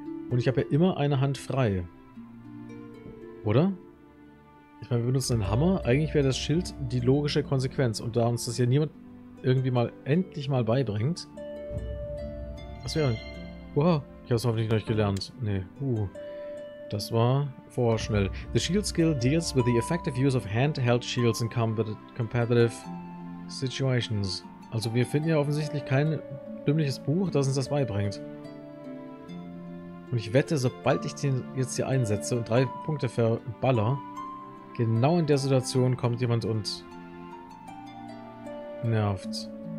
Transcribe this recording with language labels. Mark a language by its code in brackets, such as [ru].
[de] Und ich habe ja immer eine Hand frei. Oder? Ich meine, wir benutzen einen Hammer. Eigentlich wäre das Schild die logische Konsequenz. Und da uns das hier niemand irgendwie mal endlich mal beibringt, Was wäre? Wow, ich habe es hoffentlich noch nicht gelernt. Nee, das war vorschnell. [en] The shield skill deals with the effective use of handheld shields in competitive situations. [de] Also wir finden ja offensichtlich kein dümmliches Buch, das uns das beibringt. Und ich wette, sobald ich den jetzt hier einsetze und 3 Punkte verballer, genau in der Situation kommt jemand und nervt.